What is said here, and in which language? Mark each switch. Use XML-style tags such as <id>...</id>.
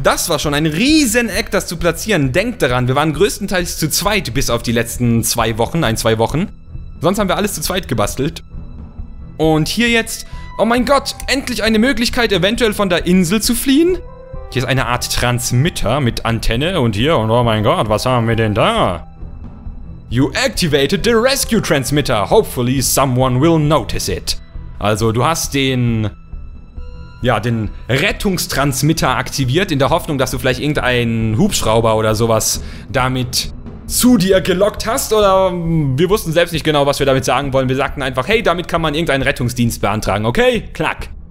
<de>Das war schon ein Rieseneck, das zu platzieren. Denkt daran, wir waren größtenteils zu zweit bis auf die letzten 2 Wochen. Sonst haben wir alles zu zweit gebastelt. Und hier jetzt, oh mein Gott, endlich eine Möglichkeit, eventuell von der Insel zu fliehen. Hier ist eine Art Transmitter mit Antenne. Und hier, und oh mein Gott, was haben wir denn da?</de> <en>You activated the rescue transmitter. Hopefully someone will notice it.</en> <de>Also, du hast den Rettungstransmitter aktiviert, in der Hoffnung, dass du vielleicht irgendeinen Hubschrauber oder sowas damit zu dir gelockt hast. Oder wir wussten selbst nicht genau, was wir damit sagen wollen. Wir sagten einfach, hey, damit kann man irgendeinen Rettungsdienst beantragen. Okay, klack.</de>